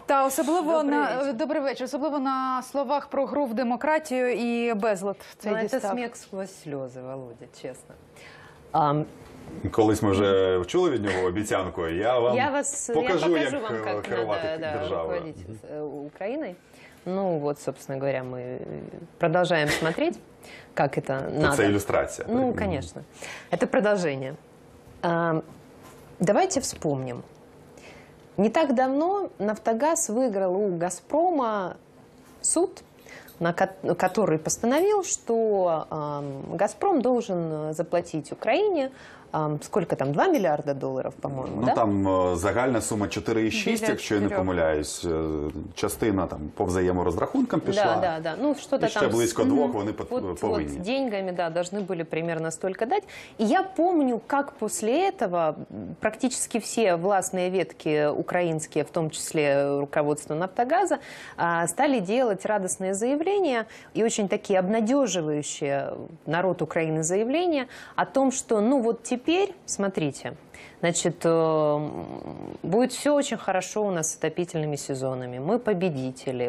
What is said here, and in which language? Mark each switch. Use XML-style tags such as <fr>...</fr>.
<uk>Та особливо добрий вечір. Особливо на словах про гру в демократію і безлад. Це сміх сквозь сльози, Володя, чесно. Колись ми вже чули від нього обіцянку, я покажу вам, як керувати державою України.</uk> <ru>Ну, вот, собственно говоря, мы продолжаем смотреть, как это надо. Это иллюстрация. Ну, конечно. Это продолжение. Давайте вспомним. Не так давно «Нафтогаз» выиграл у «Газпрома» суд, который постановил, что «Газпром» должен заплатить Украине сколько там, 2 миллиарда долларов, по-моему, ну, да?</ru> <uk>Там загальна сума 4,6, якщо я не помиляюсь. Частина там по взаєморозрахункам пішла.</uk> <ru>Да, да, да. Ну, что-то там...</ru> <uk>Ще близько двох вони повинні.</uk> <ru>Вот деньгами, да, должны были примерно столько дать. И я помню, как после этого практически все властные ветки украинские, в том числе руководство «Нафтогаза», стали делать радостные заявления и очень такие обнадеживающие народ Украины заявления о том, что, ну, вот теперь, смотрите, значит, будет все очень хорошо у нас с отопительными сезонами. Мы победители.</ru>